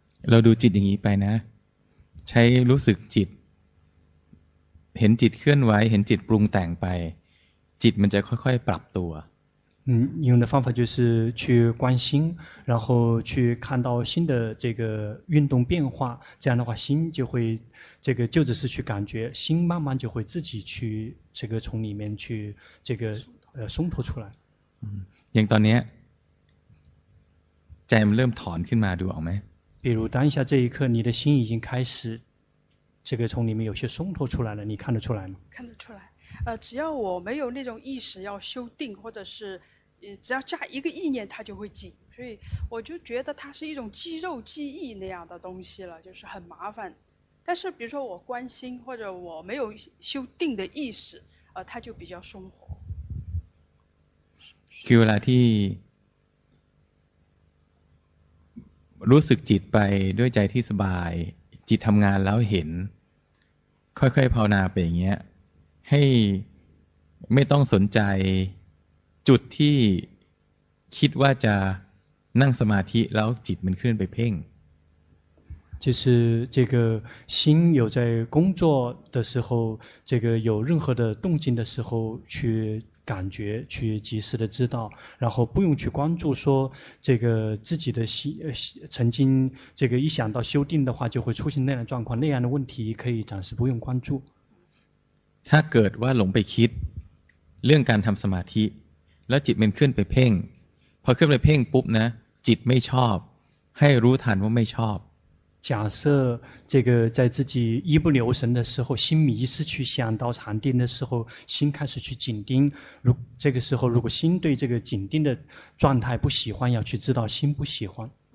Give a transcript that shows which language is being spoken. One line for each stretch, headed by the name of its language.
Thai: เราดูจิตอย่างนี้ไปนะใช้รู้สึกจิตเห็นจิตเคลื่อนไหวเห็นจิตปรุงแต่งไปจิตมันจะค่อยๆปรับตัว
Chinese: 用的方法就是去观心，然后去看到心的这个运动变化，这样的话心就会这个就只是去感觉，心慢慢就会自己去这个从里面去这个松脱出来。嗯，像
Thai: ตอนนี้ใจมันเริ่มถอนขึ้นมาดูออกไหม？
Chinese: 比如当下这一刻，你的心已经开始这个从里面有些松脱出来了，你看得出来吗？看得出来。只要我没有那种意识要修定，或者是只要加一个意念它就会紧，所以我就觉得它是一种肌肉记忆那样的东西了，就是很麻烦。但是比如说我关心或者我没有修定的意识，它就比较松活。
Thai: คือเวลาที่รู้สึกจิตไปด้วยใจที่สบายจิตทำงานแล้วเห็นค่อยๆภาวนาไปอย่างเงี้ยให้ไม่ต้องสนใจจุดที่คิดว่าจะนั่งสมาธิแล้วจิตมันเคลื่อนไปเพ่ง
Chinese: 就是这个心有在工作的时候，这个有任何的动静的时候，去感觉，去及时的知道，然后不用去关注说这个自己的心，曾经这个一想到修定的话，就会出现那样的状况，那样的问题，可以暂时不用关注。
Thai: ถ้าเกิดว่าหลงไปคิดเรื่องการทำสมาธิแล้วจิตมันขึ้นไปเพ่งพอขึ้นไปเพ่งปุ๊บนะจิตไม่ชอบให้รู้ทันว่าไม่ชอบ
Chinese: 假设这个在自己一不留神的时候心迷失去想到禅定的时候心开始去紧盯如这个时候如果心对这个紧盯的状态不喜欢要去知道心不喜欢